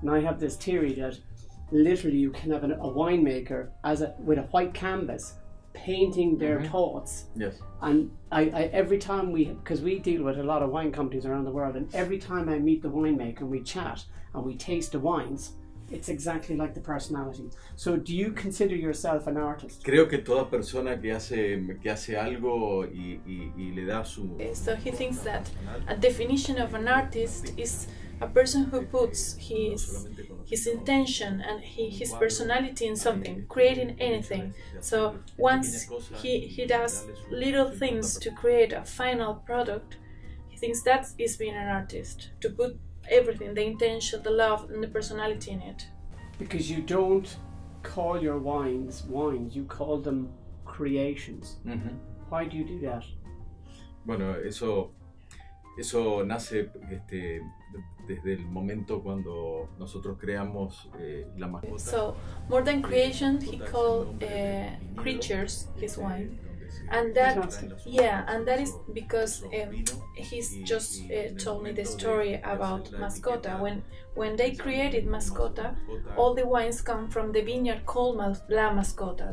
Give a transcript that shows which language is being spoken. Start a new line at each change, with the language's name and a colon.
English: And I have this theory that literally you can have a winemaker with a white canvas painting their mm-hmm. thoughts. Yes. And I every time because we deal with a lot of wine companies around the world, and every time I meet the winemaker and we chat and we taste the wines, it's exactly like the personality. So do you consider yourself an artist?
Spanish: Creo que toda persona que hace algo y le da su...
English: So he thinks that a definition of an artist is a person who puts his intention and his personality in something, creating anything. So once he does little things to create a final product, he thinks that is being an artist, to put everything, the intention, the love, and the personality in it. Because you don't call your wines, you call them creations. Mm-hmm. Why do you do that?
Spanish: Bueno, eso nace desde el momento cuando nosotros creamos la mascota.
English: So, more than creation, he called creatures his wine. And that, yeah, and that is because he's just told me the story about Mascota. When they created Mascota, all the wines come from the vineyard called La Mascota.